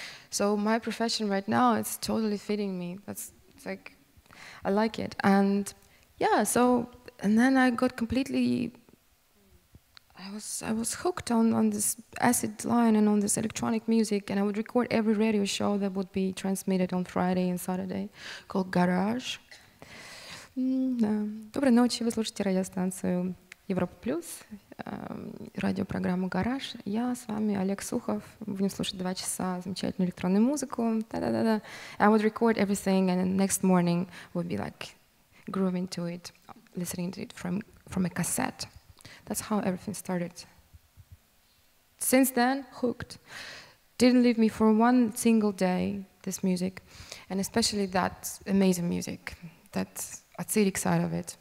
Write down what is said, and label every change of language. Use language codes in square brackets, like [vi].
[en] So my profession right now, it's totally fitting me. It's like, I like it. And yeah, so, and then I got completely, I was hooked on this acid line and on this electronic music, and I would record every radio show that would be transmitted on Friday and Saturday, called Garage. [ru] Доброй ночи, вы слушаете радиостанцию Европа Плюс, радиопрограмму Гараж. Я с вами Олег Сухов. Будем слушать 2 часа замечательную электронную музыку. Да-да-да-да. [en] I would record everything, and the next morning would be like grooving to it, listening to it from a cassette. That's how everything started. Since then, hooked. Didn't leave me for one single day, this music. And especially that amazing music, that acidic side of it.